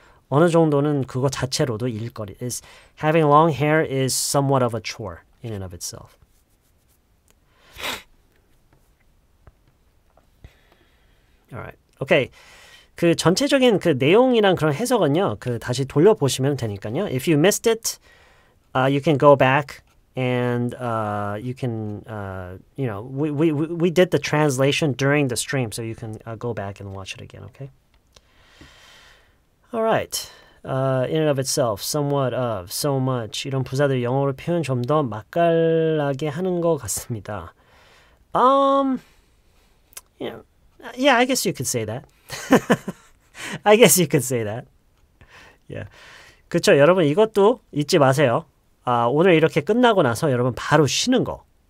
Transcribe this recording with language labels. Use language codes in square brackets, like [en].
[ko] 어느 정도는 그거 자체로도 일거리. [en] is having long hair is somewhat of a chore in and of itself. [ko] 오케이. 그 전체적인 그 내용이랑 그런 해석은요. 그 다시 돌려보시면 되니까요. [en] If you missed it, you can go back and we did the translation during the stream, so you can go back and watch it again, okay? All right. In and of itself, somewhat of, so much. [ko] 이런 부사들 영어로 표현 좀 더 맛깔나게 하는 것 같습니다. [en] Yeah, I guess you could say that. I guess you could say that. Yeah. [ko] 그쵸, 여러분 이것도 잊지 마세요. 아, 오늘 이렇게 끝나고 나서 여러분 바로 쉬는 거.